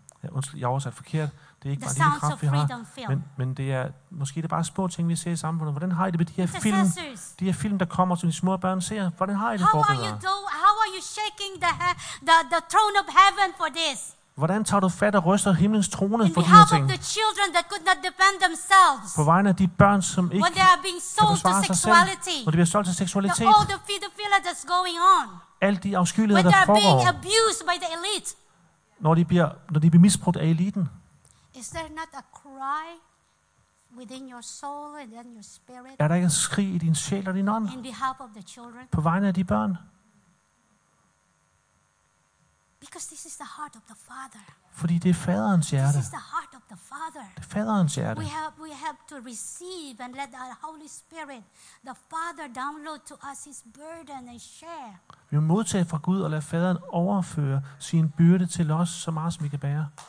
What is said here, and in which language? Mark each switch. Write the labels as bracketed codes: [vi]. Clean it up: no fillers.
[da] Ja, undskyld, jeg oversat forkert. Det er ikke bare lille kraft, vi har. Men det er måske det er bare små ting, vi ser i samfundet. Hvordan har I det med de her film? De her film, der kommer, som de små børn ser. Hvordan har I det forbedret? [en] How are you shaking the throne of heaven for this? [da] Hvordan tager du fat og ryster himlens trone for de her ting? [en] The children that could not defend themselves. [da] På vegne af de børn, som ikke kan forsvare sig selv. [en] When they are being sold to sexuality. [da] Når de bliver solgt til seksualitet. [en] All the pedophilia that's going on. [da] Alt de afskyeligheder, der foregår. [en] When they are being abused by the elite. [da] Når de bliver misbrugt af eliten. [en] Is there not a cry within your soul and in your spirit? [da] Er der ikke et skrig i din sjæl og din ånd? [en] In behalf of the children. [da] På vegne af de børn. [en] Because this is the heart of the father. [da] Fordi det er faderens hjerte. [en] This is the heart of the father. [da] Det er faderens hjerte. [en] We have to receive and let our Holy Spirit, the Father, download to us His burden and share. [da] Vi må modtage fra Gud og lade faderen overføre sin byrde til os så meget som vi kan bære.